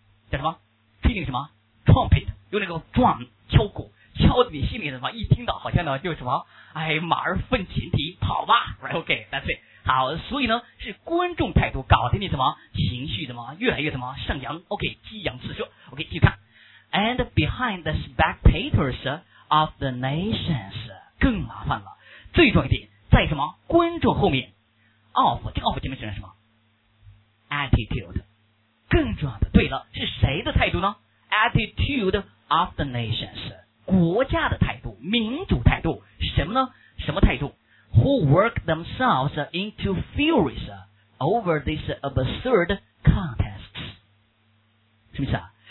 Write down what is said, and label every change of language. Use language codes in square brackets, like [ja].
[zh] 叫什么听那个什么 trumpet， 用那个 drum 敲鼓敲在你心里的话，一听到好像呢就什么，哎，马儿奋前蹄，跑吧 ，right？ [en] OK， that's it。 [zh] 好，所以呢是观众态度搞得你什么情绪的吗？越来越什么上扬 ？OK， 激扬四射。 OK， 继续看。 [en] And behind the spectators of the nations， [zh] 更麻烦了。最重要一点在什么？观众后面 ，of 这个 of 前面指的什么 ？attitude。更重要的，对了，是谁的态度呢 ？ [en] attitude of the nations。 [zh] 国家的态度，民主态度，什么呢？什么态度 [en] ？Who work themselves into furies over these absurd contests？ [zh] 什么意思啊？